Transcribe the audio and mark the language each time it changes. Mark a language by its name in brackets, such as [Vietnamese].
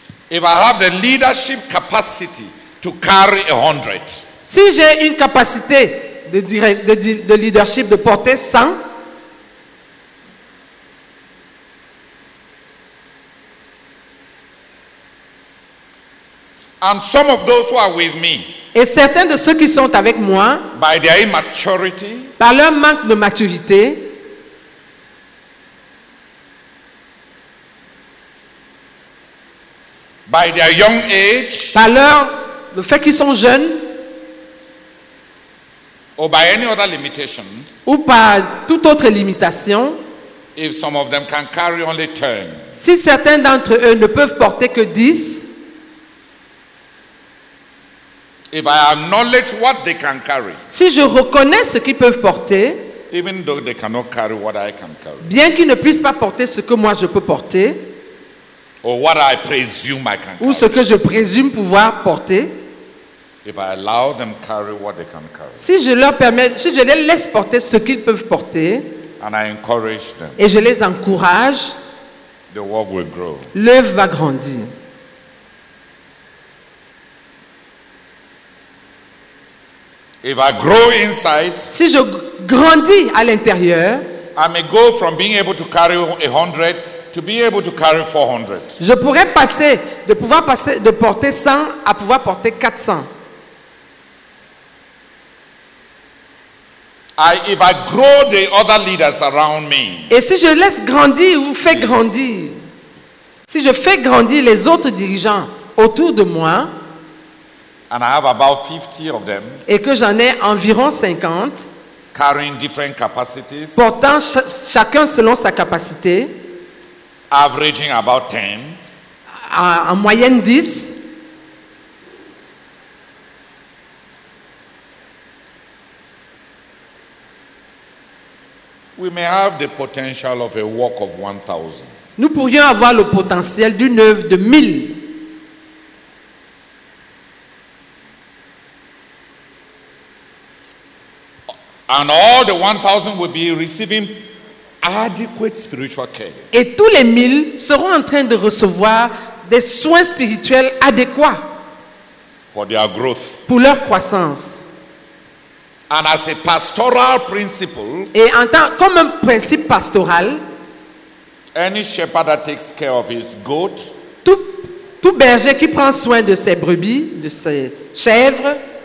[English] If I have the leadership capacity to carry 100, [French] si j'ai une capacité de leadership de porter 100, [English] and some of those who are with me, [French] et certains de ceux qui sont avec moi, [English] by their immaturity, [French] par leur manque de maturité, [English] by their young age, [French] par leur le fait qu'ils sont jeunes, [English] or by any other limitations, [French] ou par toute autre limitation, [English] if some of them can carry only 10, [French] si certains d'entre eux ne peuvent porter que 10, [English] if I acknowledge what they can carry, [French] si je reconnais ce qu'ils peuvent porter, [English] even though they cannot carry what I can carry, [French] bien qu'ils ne puissent pas porter ce que moi je peux porter, [English] or what I presume I can carry, [French] ou ce que je présume pouvoir porter, [English] if I allow them carry what they can carry, [French] si je leur permets, si je les laisse porter ce qu'ils peuvent porter, [English] and I encourage them, [French] et je les encourage, [English] the work will grow, [French] l'œuvre va grandir. [English] If I grow inside, [French] si je grandis à l'intérieur, [English] I may go from being able to carry 100 to be able to carry 400. [French] Je pourrais passer de porter 100 à pouvoir porter 400. [English] If I grow the other leaders around me, [French] et si je laisse grandir ou fais grandir, si je fais grandir les autres dirigeants autour de moi, [English] and I have about 50 of them, [French] et que j'en ai environ 50, [English] carrying different capacities, [French] portant chacun selon sa capacité, [English] averaging about 10, [French] en moyenne 10, [English] we may have the potential of a work of 1,000. [French] Nous pourrions avoir le potentiel d'une œuvre de 1,000. [English] And all the 1,000 will be receiving adequate spiritual care. [French] Et tous les 1,000 seront en train de recevoir des soins spirituels adéquats. [English] For their growth. [French] Pour leur croissance. [English] And as a pastoral principle. [French] Et en tant comme un principe pastoral. [English] Any shepherd that takes care of his goats. [French] Tout berger qui prend soin de ses brebis, de ses chèvres.